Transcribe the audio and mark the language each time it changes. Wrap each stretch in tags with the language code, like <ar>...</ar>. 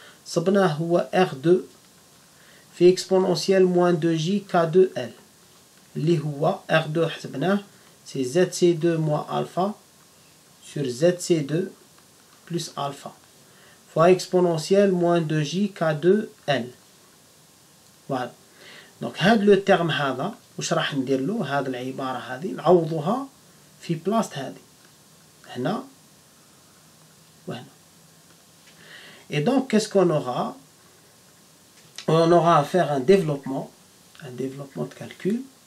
<fr>R2 fait exponentielle moins 2J K2L. R2, c'est ZC2 moins alpha sur ZC2 plus alpha fois exponentielle moins 2J K2L. Voilà.</fr> <ar>Donc, هذا le terme هذا واش راح ندير له هذا العباره هذه نعوضها في بلاصه هذه هنا وهنا.</ar> <fr>Et donc qu'est-ce qu'on aura? On aura à faire un développement de calcul.</fr>